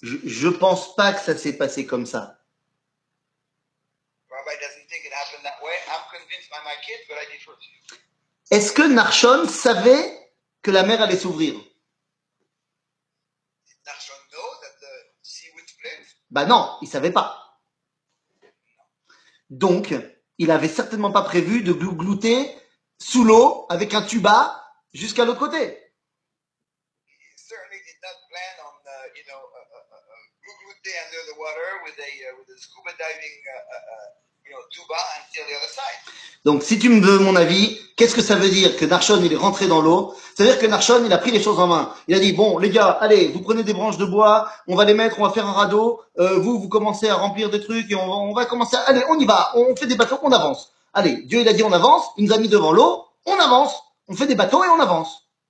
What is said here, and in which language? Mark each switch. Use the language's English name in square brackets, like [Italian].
[French] Je pense pas que ça s'est passé comme ça. [English] Rabbi doesn't think it happened that way. I'm convinced by my kid, but I did for you. [French] Est-ce que Nachshon savait que la mer allait s'ouvrir? [English] Did Nachshon know that the sea would split? [French] Ben non, il ne savait pas. Donc, il n'avait certainement pas prévu de glouglouter sous l'eau avec un tuba jusqu'à l'autre côté. [English] He certainly did not plan on, you know, glouglouter under the water with a scuba diving tuba until the other side. [French] Donc, si tu me veux mon avis, qu'est-ce que ça veut dire que Nachshon, il est rentré dans l'eau? C'est-à-dire que Nachshon, il a pris les choses en main. Il a dit, bon, les gars, allez, vous prenez des branches de bois, on va les mettre, on va faire un radeau, vous commencez à remplir des trucs et on va commencer à... Allez, on y va, on fait des bateaux, on avance. Allez, Dieu, il a dit, on avance, il nous a mis devant l'eau, on avance, on fait des bateaux et on avance.